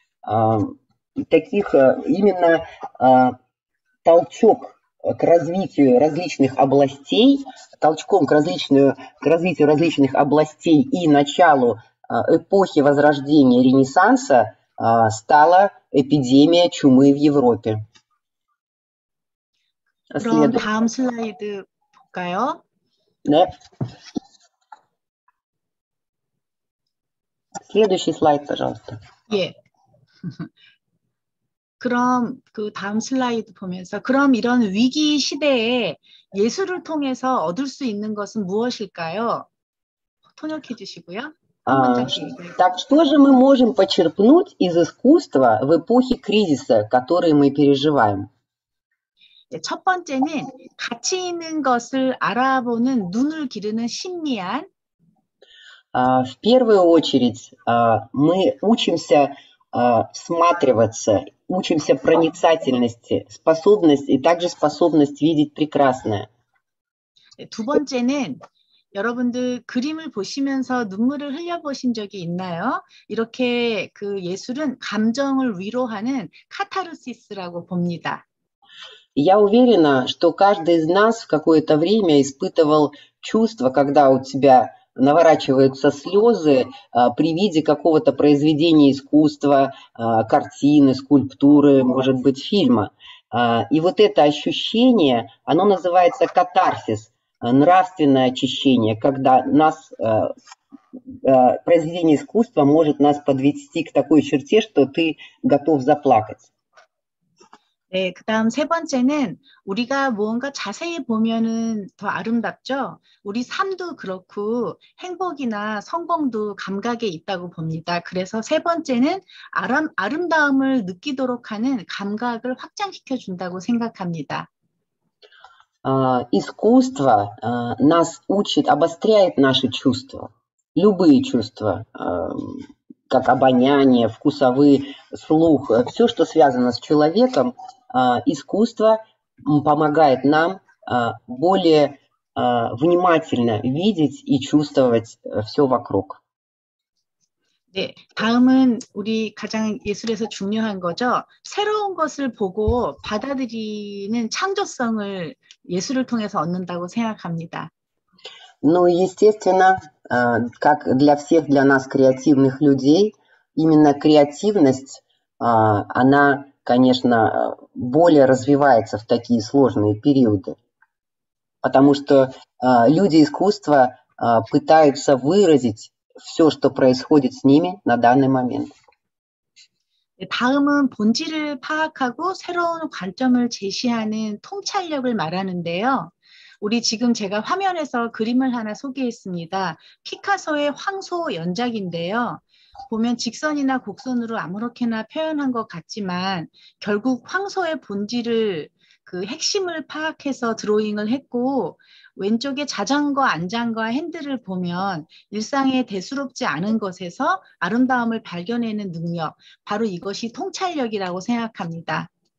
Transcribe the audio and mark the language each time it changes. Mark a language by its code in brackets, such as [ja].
[ru] Таких именно толчок к развитию различных областей, толчком к развитию различных областей и началу эпохи Возрождения, Ренессанса стала эпидемия чумы в Европе. [ko] 그럼 다음 슬라이드 볼까요? 네. [ru] Следующий слайд, пожалуйста. [ko] 예. 그럼 그 다음 슬라이드 보면서 그럼 이런 위기 시대에 예술을 통해서 얻을 수 있는 것은 무엇일까요? 통역해 주시고요. [ru] так что же мы можем почерпнуть из искусства в эпохе кризиса, который мы переживаем? [ko] 첫 번째는 가치 있는 것을 알아보는 눈을 기르는 심미안. [ru] В первую очередь мы учимся всматриваться, учимся проницательности, способность и также способность видеть прекрасное. [ko] 두 번째는 여러분들 그림을 보시면서 눈물을 흘려보신 적이 있나요? 이렇게 그 예술은 감정을 위로하는 카타르시스라고 봅니다. [ru] Я уверена, что каждый из нас в какое-то время испытывал чувство, когда у тебя наворачиваются слезы при виде какого-то произведения искусства, картины, скульптуры, может быть, фильма. И вот это ощущение, оно называется катарсис, нравственное очищение, когда нас, произведение искусства может нас подвести к такой черте, что ты готов заплакать. [ko] 네, 그다음 세 번째는 우리가 무언가 자세히 보면은 더 아름답죠. 우리 삶도 그렇고 행복이나 성공도 감각에 있다고 봅니다. 그래서 세 번째는 아름다움을 느끼도록 하는 감각을 확장시켜 준다고 생각합니다. [ru] Искусство нас учит, обостряет наши чувства, любые чувства. Как обоняние, вкусовые, слух, все, что связано с человеком, искусство помогает нам более внимательно видеть и чувствовать все вокруг. [ko] 네, 다음은 우리 가장 예술에서 중요한 거죠. 새로운 것을 보고 받아들이는 창조성을 예술을 통해서 얻는다고 생각합니다. [ru] Ну, естественно, как для всех, для нас, креативных людей, именно креативность, она, конечно, более развивается в такие сложные периоды. Потому что люди искусства пытаются выразить все, что происходит с ними на данный момент. [ko] 다음은 본질을 파악하고 새로운 관점을 제시하는 통찰력을 말하는데요. 우리 지금 제가 화면에서 그림을 하나 소개했습니다. 피카소의 황소 연작인데요. 보면 직선이나 곡선으로 아무렇게나 표현한 것 같지만 결국 황소의 본질을 그 핵심을 파악해서 드로잉을 했고 왼쪽에 자전거 안장과 핸들을 보면 일상에 대수롭지 않은 것에서 아름다움을 발견하는 능력 바로 이것이 통찰력이라고 생각합니다.